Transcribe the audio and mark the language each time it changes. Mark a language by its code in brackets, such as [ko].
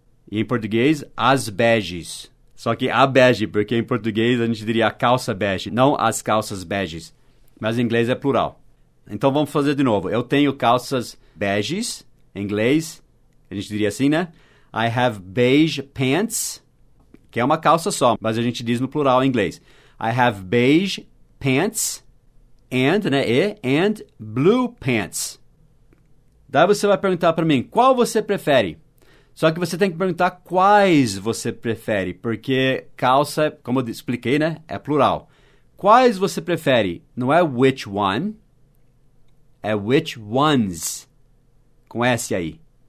[pt] E em português, as beiges. Só que a bege, porque em português a gente diria a calça bege, não as calças beges. Mas em inglês é plural. Então vamos fazer de novo. Eu tenho calças beges, em inglês, a gente diria assim, né? [en] I have beige pants, [pt] que é uma calça só, mas a gente diz no plural em inglês. [en] I have beige pants and, né, and blue pants. [pt] Daí você vai perguntar para mim, qual você prefere? Só que você tem que perguntar quais você prefere, porque calça, como eu expliquei, né, é plural. Quais você prefere? Não é which one, é which ones, com S aí.